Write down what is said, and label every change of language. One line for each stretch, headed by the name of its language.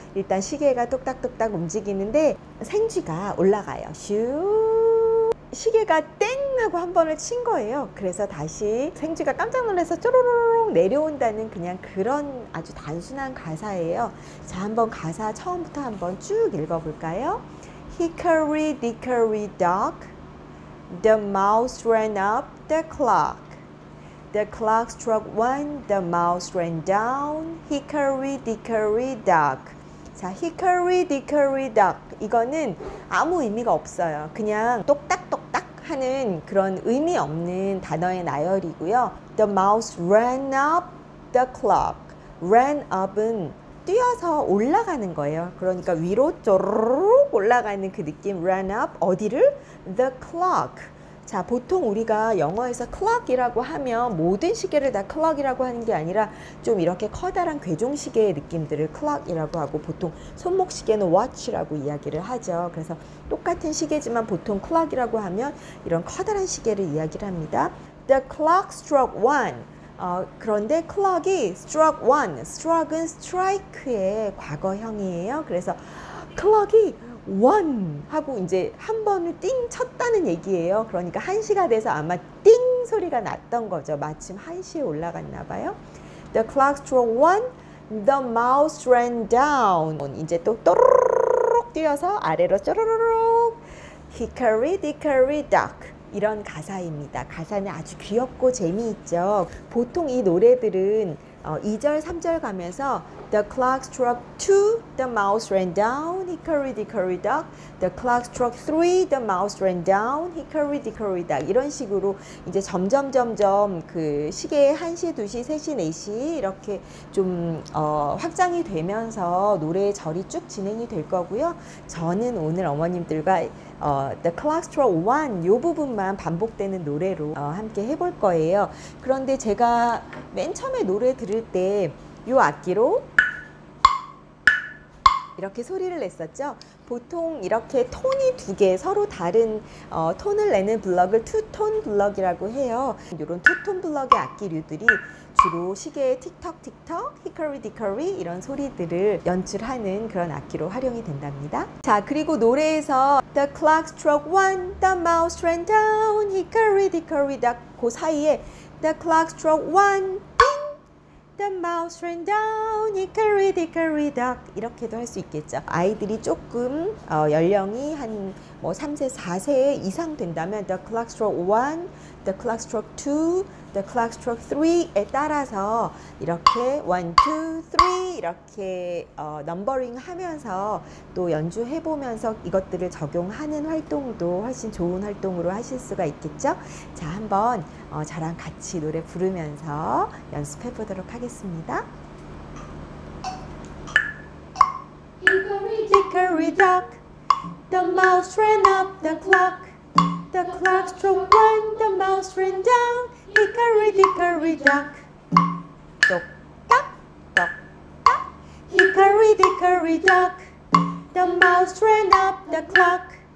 Korean: 일단 시계가 똑딱똑딱 움직이는데 생쥐가 올라가요. 슈 시계가 땡 하고 한 번을 친 거예요. 그래서 다시 생쥐가 깜짝 놀라서 쪼로로롱 내려온다는 그냥 그런 아주 단순한 가사예요. 자, 한번 가사 처음부터 한번 쭉 읽어볼까요?
English: Hickory dickory dock, the mouse ran up the clock. The clock struck one, the mouse ran down. Hickory dickory dock. 자, hickory dickory dock.
Korean: 이거는 아무 의미가 없어요. 그냥 똑딱똑딱 하는 그런 의미 없는 단어의 나열이고요.
English: The mouse ran up the clock.
Korean: Ran up은 뛰어서 올라가는 거예요. 그러니까 위로 쪼르륵 올라가는 그 느낌.
English: Run up
Korean: 어디를?
English: The clock.
Korean: 자, 보통 우리가 영어에서 clock이라고 하면 모든 시계를 다 clock이라고 하는 게 아니라 좀 이렇게 커다란 괴종시계의 느낌들을 clock이라고 하고 보통 손목시계는 watch라고 이야기를 하죠. 그래서 똑같은 시계지만 보통 clock이라고 하면 이런 커다란 시계를 이야기를 합니다.
English: The clock struck one.
Korean: 그런데 clock이 struck one, struck은 strike의 과거형이에요. 그래서 clock이 one 하고 이제 한 번을 띵 쳤다는 얘기예요. 그러니까 1시가 돼서 아마 띵 소리가 났던 거죠. 마침 1시에 올라갔나 봐요.
English: The clock struck one, the mouse ran down.
Korean: 이제 또 또르륵 뛰어서 아래로 쪼르르륵
English: hickory dickory dock.
Korean: 이런 가사입니다. 가사는 아주 귀엽고 재미있죠. 보통 이 노래들은 2절, 3절 가면서
English: The clock struck 2, the mouse ran down, hickory dickory dock. The clock struck 3, the mouse ran down, hickory dickory dock.
Korean: 이런 식으로 이제 점점 그 시계의 1시, 2시, 3시, 4시 이렇게 좀 확장이 되면서 노래의 절이 쭉 진행이 될 거고요. 저는 오늘 어머님들과
English: The clock struck 1,
Korean: 요 부분만 반복되는 노래로 함께 해볼 거예요. 그런데 제가 맨 처음에 노래 들을 때 요 악기로 이렇게 소리를 냈었죠. 보통 이렇게 톤이 두 개 서로 다른 톤을 내는 블럭을 투톤 블럭이라고 해요. 이런 투톤 블럭의 악기류들이 주로 시계의 틱톡 틱톡, 히커리 디커리 이런 소리들을 연출하는 그런 악기로 활용이 된답니다. 자, 그리고 노래에서
English: The clock struck one, the mouse ran down, hickory dickory dock
Korean: 그 사이에
English: The clock struck one, The mouse ran down, hickory dickory dock.
Korean: 이렇게도 할 수 있겠죠. 아이들이 조금 연령이 한 뭐 3세, 4세 이상 된다면
English: The clock struck 1, The clock struck 2, The clock struck 3에
Korean: 따라서 이렇게 1, 2, 3 이렇게 넘버링 하면서 또 연주해보면서 이것들을 적용하는 활동도 훨씬 좋은 활동으로 하실 수가 있겠죠. 자, 한번 저랑 같이 노래 부르면서 연습해보도록 하겠습니다.
English: Hickory dickory dock, the mouse ran up the clock. The clock struck one, the mouse ran down. Hickory dickory dock, dock, dock, dock, dock. Hickory dickory dock, the mouse ran up the clock.